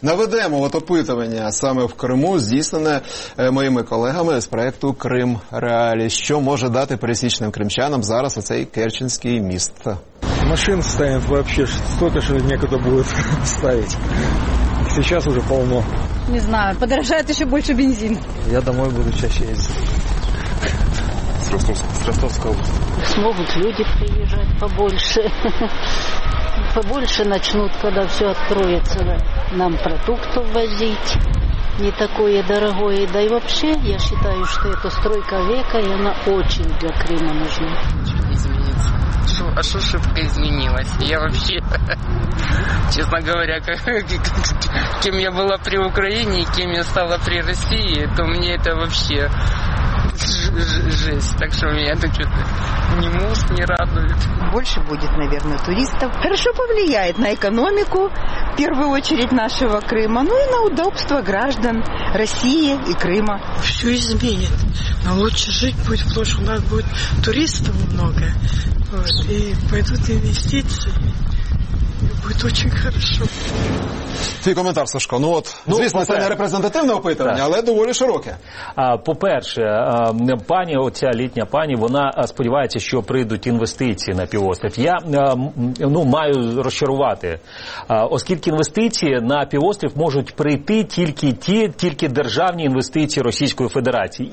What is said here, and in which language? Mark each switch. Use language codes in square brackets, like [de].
[uk] Наведемо от опитування саме в Криму, здійснене моїми колегами з проекту «Крим Реалії». Що може дати пересічним кримчанам зараз оцей Керченський міст? Машин стає взагалі стільки, що нікуди буде ставити. [ru] Сейчас уже полно. Не знаю, подорожает еще больше бензин. Я домой буду чаще ездить. С Ростовской области. Смогут люди приезжать побольше. Побольше начнут, когда все откроется, да, нам продуктов возить. Не такое дорогое. Да и вообще, я считаю, что это стройка века, и она очень для Крыма нужна. А что шибко изменилось? Я вообще, честно говоря, кем я была при Украине, кем я стала при России, то мне это вообще жесть. Так что меня это что-то ни муж не радует. Больше будет, наверное, туристов. Хорошо повлияет на экономику, в первую очередь, нашего Крыма, ну и на удобство граждан России и Крыма. Все изменит. Но лучше жить будет, потому что у нас будет туристов много. Вот, и пойдут инвестиции. Будет очень хорошо. [uk] Твій коментар, Сашко. Ну от, ну, звісно, це не репрезентативне опитування, так, але доволі широке. По-перше, пані, оця літня пані, вона сподівається, що прийдуть інвестиції на півострів. Я маю розчарувати, оскільки інвестиції на півострів можуть прийти тільки державні інвестиції Російської Федерації.